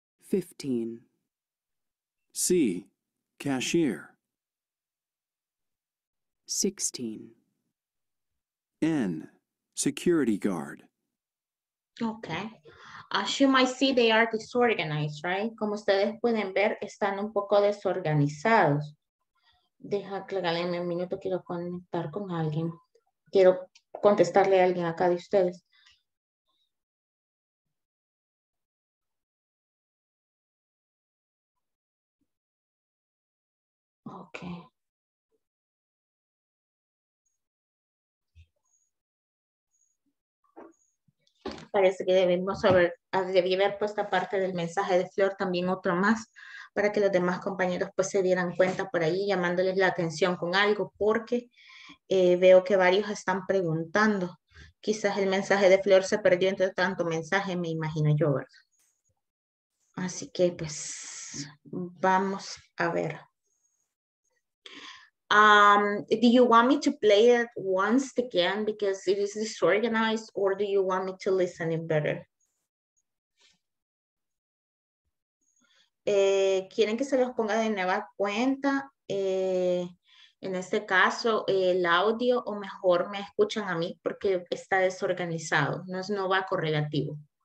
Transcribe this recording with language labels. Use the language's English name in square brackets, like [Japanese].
[English] 15. C. Cashier. 16. N, security guard. Okay. As you might see, they are disorganized, right? [Spanish] Como ustedes pueden ver, están un poco desorganizados. Deja aclararme un minuto, quiero conectar con alguien. Quiero contestarle a alguien acá de ustedes. [English] Okay. [Spanish] Parece que debemos haber, debí haber puesto aparte del mensaje de Flor también otro más para que los demás compañeros pues se dieran cuenta por ahí llamándoles la atención con algo porque veo que varios están preguntando. Quizás el mensaje de Flor se perdió entre tanto mensaje, me imagino yo, ¿verdad? Así que pues vamos a ver. [English] Do you want me to play it once again because it is disorganized, or do you want me to listen it better? [Spanish] ¿Quieren que se los ponga de nueva cuenta? En este caso, el audio, o mejor me escuchan a mí porque está desorganizado, no va correlativo.